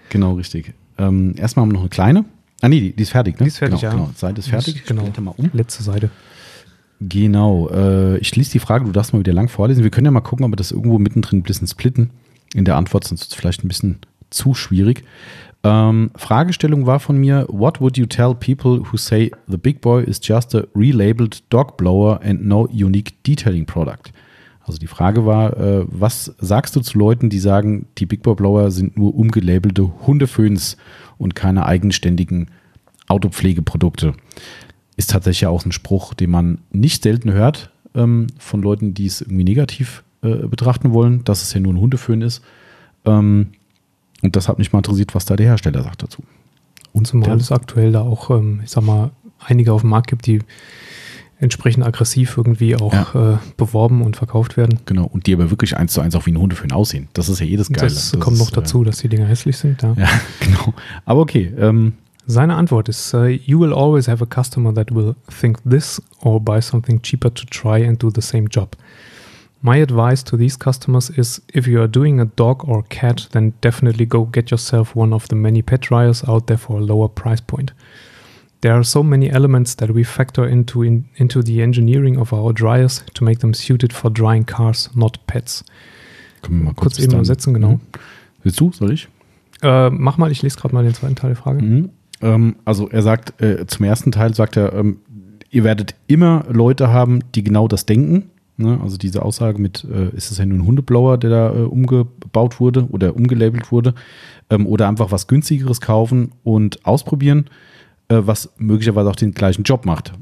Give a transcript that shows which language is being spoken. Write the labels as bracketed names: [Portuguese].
[German] Genau, richtig. Erstmal haben wir noch eine kleine. Ah nee, die ist fertig, ne? Die ist fertig, genau, ja. Genau, Seite ist fertig. Genau. Ich blätter mal um. Letzte Seite. Genau, ich lese die Frage, du darfst mal wieder lang vorlesen. Wir können ja mal gucken, ob wir das irgendwo mittendrin ein bisschen splitten in der Antwort, sonst ist es vielleicht ein bisschen zu schwierig. Fragestellung war von mir, [English] what would you tell people who say the big boy is just a relabeled dog blower and no unique detailing product? [German] Also die Frage war, was sagst du zu Leuten, die sagen, die Big Boy Blower sind nur umgelabelte Hundeföhns und keine eigenständigen Autopflegeprodukte? Ist tatsächlich auch ein Spruch, den man nicht selten hört von Leuten, die es irgendwie negativ betrachten wollen, dass es ja nur ein Hundeföhn ist. Und das hat mich mal interessiert, was da der Hersteller sagt dazu. Und zumal es aktuell da auch, ich sag mal, einige auf dem Markt gibt, die entsprechend aggressiv irgendwie auch beworben und verkauft werden. Genau, und die aber wirklich eins zu eins auch wie ein Hundeföhn aussehen. Das ist ja jedes Geile. Das kommt noch dazu, dass die Dinger hässlich sind. Ja, ja, genau. Aber okay, seine Antwort ist, [English] you will always have a customer that will think this or buy something cheaper to try and do the same job. My advice to these customers is, if you are doing a dog or cat, then definitely go get yourself one of the many pet dryers out there for a lower price point. There are so many elements that we factor into the engineering of our dryers to make them suited for drying cars, not pets. [German] Können wir mal kurz eben übersetzen, genau. Mhm. Willst du, soll ich? Mach mal, ich lese gerade mal den zweiten Teil der Frage. Mhm. Also er sagt, zum ersten Teil sagt er, ihr werdet immer Leute haben, die genau das denken, Ne? Also diese Aussage mit, ist es ja nur ein Hundeblower, der da umgebaut wurde oder umgelabelt wurde, oder einfach was Günstigeres kaufen und ausprobieren, was möglicherweise auch den gleichen Job macht.